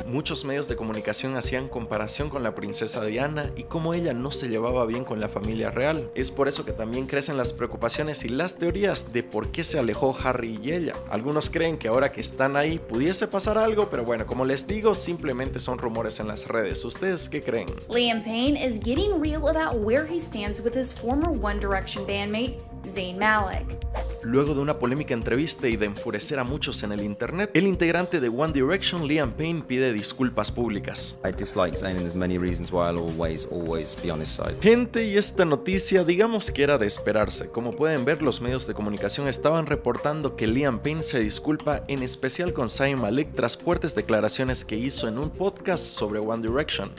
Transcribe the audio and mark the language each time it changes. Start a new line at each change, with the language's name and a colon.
Spanish: Muchos medios de comunicación hacían comparación con la princesa Diana y cómo ella no se llevaba bien con la familia real. Es por eso que también crecen las preocupaciones y las teorías de por qué se alejó Harry y ella. Algunos creen que ahora que están ahí pudiese pasar algo, pero bueno, como les digo, simplemente son rumores en las redes. ¿Ustedes qué creen?
English: Liam Payne is getting real about where he stands with his former One Direction bandmate Zayn Malik.
Spanish: Luego de una polémica entrevista y de enfurecer a muchos en el internet, el integrante de One Direction, Liam Payne, pide disculpas públicas.
English: I dislike Zayn and there's many reasons why I'll always be on his side.
Spanish: Gente, y esta noticia digamos que era de esperarse. Como pueden ver, los medios de comunicación estaban reportando que Liam Payne se disculpa en especial con Zayn Malik tras fuertes declaraciones que hizo en un podcast sobre One Direction.